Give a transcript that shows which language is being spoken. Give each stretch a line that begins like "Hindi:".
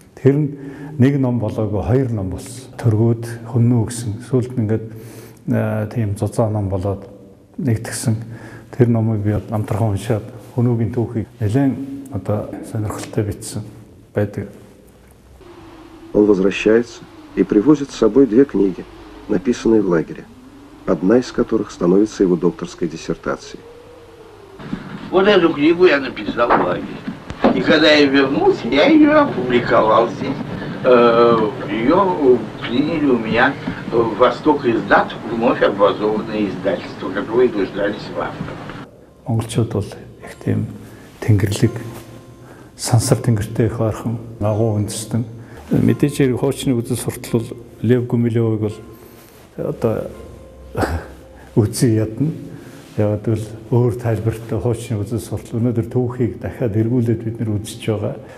Mongolian: Тэр нэг ном болоогүй хоёр ном болсон. Төргөөд хүннүү гэсэн сүүлд нь ингээд тийм зузаа ном болоод нэгтгсэн. Тэр номыг би намтархан уншаад хүнүүгийн түүхийг нэлээд одоо сонирхолтой бичсэн байдаг.
Russian: Он возвращается и привозит с собой две книги, написанные в лагере, одна из которых становится его докторской диссертацией. Вот эту книгу я написал в лагере. И когда я вернулся, я ее опубликовал здесь. Ее приняли у меня «Восток издат», вновь образованное издательство, которое дождались в авторах.
Mongolian: Монгольчууд бол их тийм тэнгэрлэг, сансар тэнгэртэй их ойрхон, агуу үндэстэн. Мэдээж хэрэг хуучны үзэл суртал бол Лев Гумилевыг бол одоо үзэн ядна. Яагад бол өөр тайлбартай хуучны үзэл суртал өнөөдөр түүхийг дахиад эргүүлээд бид нар үзэж байгаа.